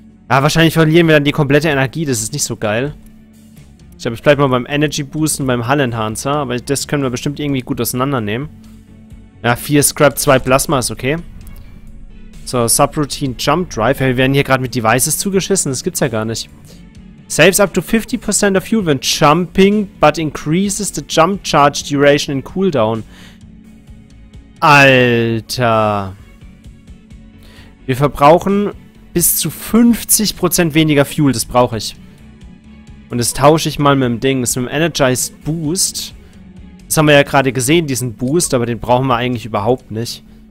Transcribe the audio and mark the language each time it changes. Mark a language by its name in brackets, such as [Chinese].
[German] Ja, wahrscheinlich verlieren wir dann die komplette Energie, das ist nicht so geil. Ich glaube, ich bleibe mal beim Energy Boost und beim Hull Enhancer, aber das können wir bestimmt irgendwie gut auseinandernehmen. Ja, 4 Scrap, 2 Plasma ist okay. So, Subroutine Jump Drive. Ja, wir werden hier gerade mit Devices zugeschissen, das gibt's ja gar nicht. [English] Saves up to 50% of fuel when jumping, but increases the jump charge duration in cooldown. [German] Alter. Wir verbrauchen bis zu 50% weniger Fuel, das brauche ich. Und das tausche ich mal mit dem Ding, mit dem Energized Boost. Das haben wir ja gerade gesehen, diesen Boost, aber den brauchen wir eigentlich überhaupt nicht.